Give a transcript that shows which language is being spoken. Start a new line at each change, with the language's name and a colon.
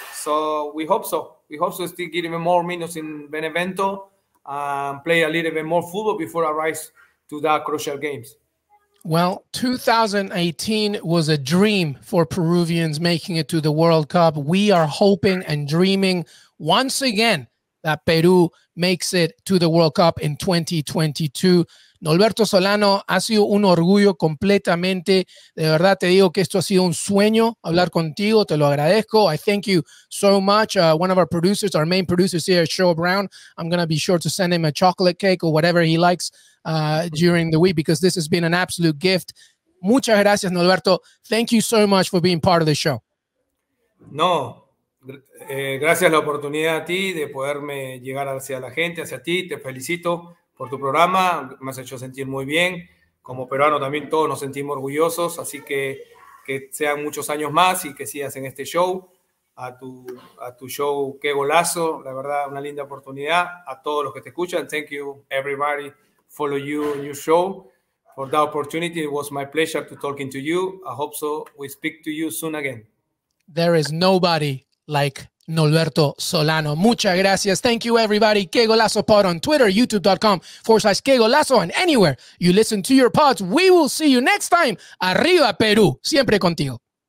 English: So we hope so. We hope so still get him more minutes in Benevento and play a little bit more football before he arrives to the crucial games. Well, 2018 was a dream for Peruvians making it to the World Cup. We are hoping and dreaming once again that Peru makes it to the World Cup in 2022.
Spanish: Nolberto Solano, ha sido un orgullo completamente. De verdad te digo que esto ha sido un sueño hablar contigo. Te lo agradezco.
English: I thank you so much. One of our producers, our main producers here, Shaw Brown, I'm going to be sure to send him a chocolate cake or whatever he likes during the week, because this has been an absolute gift.
Spanish: Muchas gracias,
English: Nolberto. Thank you so much for being part of the show.
Spanish: No. Gracias la oportunidad a ti de poderme llegar hacia la gente, hacia ti. Te felicito por tu programa, me has hecho sentir muy bien. Como peruano también todos nos sentimos orgullosos, así que sean muchos años más y que sigas en este show, a tu show Qué Golazo. La verdad, una linda oportunidad a todos los que te escuchan.
English: Thank you everybody, follow you in your show for that opportunity. It was my pleasure to talking to you. I hope so we speak to you soon again. There is nobody like Nolberto Solano.
Spanish: Muchas gracias.
English: Thank you, everybody. Qué Golazo Pod on Twitter, youtube.com/ Qué Golazo, and anywhere you listen to your pods. We will see you next time.
Spanish: Arriba, Peru. Siempre contigo.